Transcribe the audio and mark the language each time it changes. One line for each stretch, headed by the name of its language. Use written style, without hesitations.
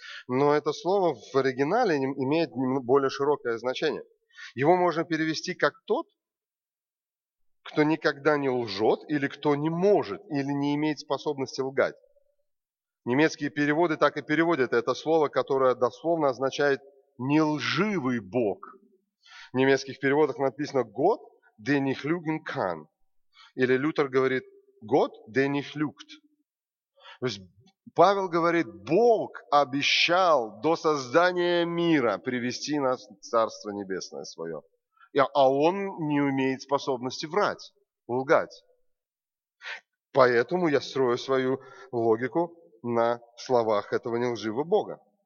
Russian: Но это слово в оригинале имеет более широкое значение. Его можно перевести как «тот, кто никогда не лжет или кто не может или не имеет способности лгать». Немецкие переводы так и переводят это слово, которое дословно означает «нелживый Бог». В немецких переводах написано
German: «Gott, der nicht lügen kann».
Russian: Или Лютер говорит
German: «Gott, der nicht lügt».
Russian: То есть Павел говорит, Бог обещал до создания мира привести нас в Царство Небесное свое. А он не умеет способности врать, лгать. Поэтому я строю свою логику на словах этого нелживого Бога.